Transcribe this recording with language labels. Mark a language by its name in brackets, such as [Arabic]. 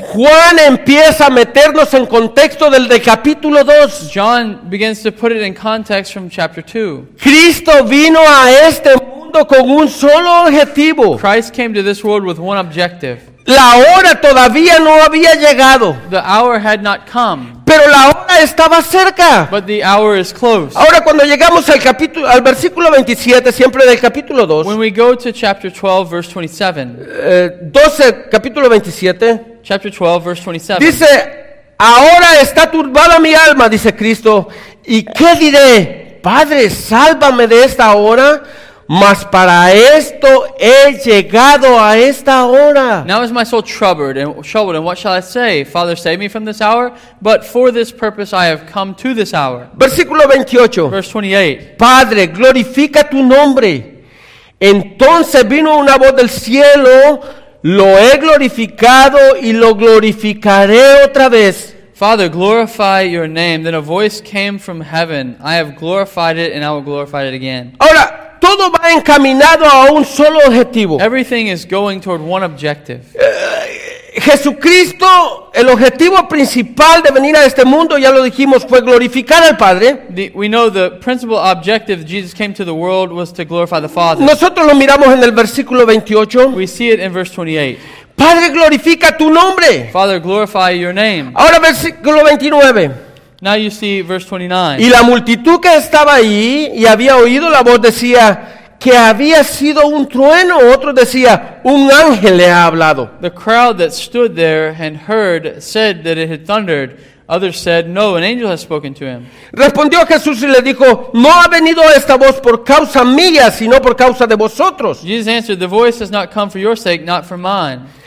[Spanish] Juan empieza a meternos en contexto del capítulo 2. [English] John begins to put it in context from chapter 2. [Spanish] Cristo vino a este mundo con un solo objetivo. [English] Christ came to this world with one objective. [Spanish] La hora todavía no había llegado. [English] The hour had not come. [Spanish] Pero la hora estaba cerca. [English] But the hour is close. [Spanish] Ahora cuando llegamos al versículo 27, siempre del capítulo 2. [English] When we go to chapter 12, verse 27. [Spanish] 12, capítulo 27. [English] Chapter 12, verse 27. [Spanish] Dice, ahora está turbada mi alma, dice Cristo. ¿Y qué diré? Padre, sálvame de esta hora. Mas para esto he llegado a esta hora. [English] Now is my soul troubled, and what shall I say? Father, save me from this hour, but for this purpose I have come to this hour. [Spanish] Versículo 28. [English] Verse 28. [Spanish] Padre, glorifica tu nombre. Entonces vino una voz del cielo, lo he glorificado y lo glorificaré otra vez. [English] Father, glorify your name. Then a voice came from heaven. I have glorified it, and I will glorify it again. [Spanish] Ahora, todo va encaminado a un solo objetivo. [English] Everything is going toward one objective. [Spanish] Jesucristo, el objetivo principal de venir a este mundo, ya lo dijimos, fue glorificar al Padre. [English] We know the principal objective that Jesus came to the world was to glorify the Father. [Spanish] Nosotros lo miramos en el versículo 28. [English] We see it in verse 28. [Spanish] Padre, glorifica tu nombre. [English] Father, glorify your name. [Spanish] Ahora versículo 29. [English] Now you see verse 29. [Spanish] Y la multitud que estaba ahí y había oído la voz decía que había sido un trueno, otro decía un ángel le ha hablado. [English] The crowd that stood there and heard said that it had thundered. Others said, no, an angel has spoken to him. [Spanish] Respondió Jesús y le dijo, no ha venido esta voz por causa mía, sino por causa de vosotros. [English] Jesus answered, the voice has not come for your sake, not for mine.